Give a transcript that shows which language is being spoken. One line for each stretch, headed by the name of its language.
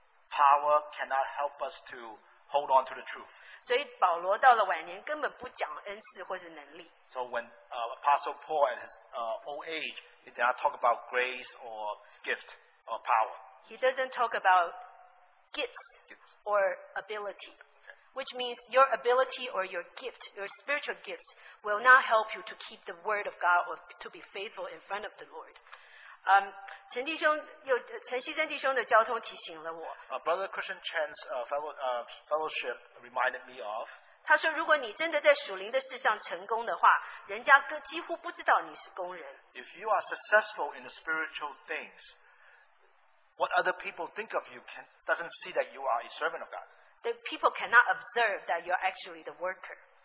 English: power cannot help us to hold on to the truth.
Chinese: 所以保罗到了晚年根本不讲恩赐或者能力。
English: So when Apostle Paul at his old age, he did not talk about grace or gift or power. He doesn't talk about gifts or ability, which means your ability or your gift, your spiritual gifts, will not help you to keep the word of God or to be faithful in front of the Lord.
Chinese: 陈西珍弟兄的交通提醒了我。
English: Brother Christian Chen's fellowship reminded me of.
Chinese: 他说，如果你真的在属灵的事上成功的话，人家几乎不知道你是工人。
English: If you are successful in the spiritual things, what other people think of you doesn't see that you are a servant of God. The people cannot observe that you're actually the worker.